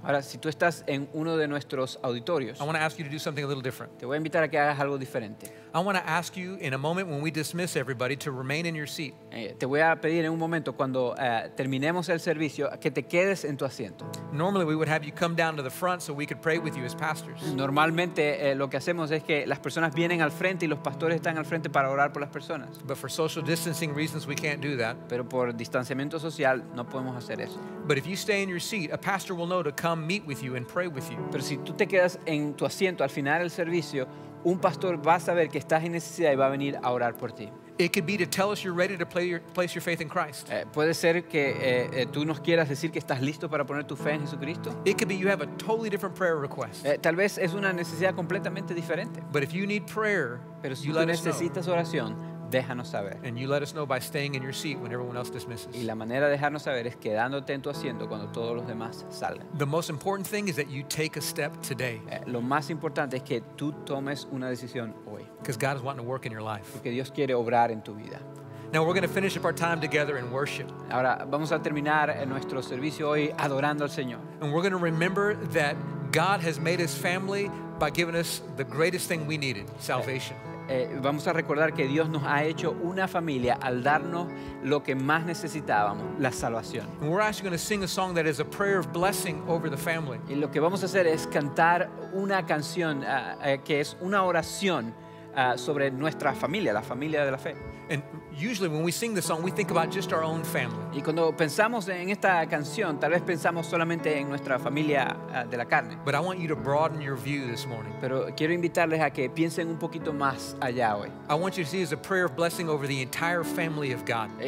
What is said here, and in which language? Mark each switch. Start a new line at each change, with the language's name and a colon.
Spanish: ahora, si tú estás en uno de nuestros auditorios,
English: I want to ask you to do something a little different.
Spanish: Te voy a invitar a que hagas algo diferente.
English: I want to ask you in a moment when we dismiss everybody to remain in your seat.
Spanish: Te voy a pedir en un momento cuando terminemos el servicio que te quedes en tu asiento.
English: Normally, we would have you come down to the front so we could pray with you as pastors.
Spanish: Normalmente, lo que hacemos es que las personas vienen al frente y los pastores están al frente para orar por las personas.
English: But for social distancing reasons, we can't do that.
Spanish: Pero por distanciamiento social no podemos hacer eso.
English: But if you stay in your seat, a pastor will know to come meet with you and pray with you.
Spanish: Pero si tú te quedas en tu asiento al final del servicio, un pastor va a saber que estás en necesidad y va a venir a orar por ti.
English: It could be to tell us you're ready to place your faith in Christ.
Spanish: Puede ser que tú nos quieras decir que estás listo para poner tu fe en Jesucristo.
English: It could be you have a totally different prayer request.
Spanish: Tal vez es una necesidad completamente diferente.
English: But if you need prayer,
Spanish: pero si
English: you
Spanish: tú necesitas oración, déjanos saber.
English: And you let us know by staying in your seat when everyone else dismisses.
Spanish: Y la manera de dejarnos saber es quedándote en tu asiento cuando todos los demás salgan.
English: The most important thing is that you take a step today.
Spanish: Lo más importante es que tú tomes una decisión hoy.
English: Because God is wanting to work in your life.
Spanish: Porque Dios quiere obrar en tu vida.
English: Now we're going to finish up our time together in worship.
Spanish: Ahora vamos a terminar en nuestro servicio hoy adorando al Señor.
English: And we're going to remember that God has made His family by giving us the greatest thing we needed, salvation.
Spanish: Vamos a recordar que Dios nos ha hecho una familia al darnos lo que más necesitábamos, la salvación.
English: And we're actually going to sing a song that is a prayer of blessing over the family.
Spanish: Y lo que vamos a hacer es cantar una canción que es una oración sobre nuestra familia, la familia de la fe.
English: And usually when we sing this song, we think about just our own family.
Spanish: Y cuando pensamos en esta canción, tal vez pensamos solamente en nuestra familia de la carne.
English: But I want you to broaden your view this morning.
Spanish: Pero quiero invitarles a que piensen un poquito más allá hoy.
English: I want you to see it as a prayer of blessing over the entire family of God.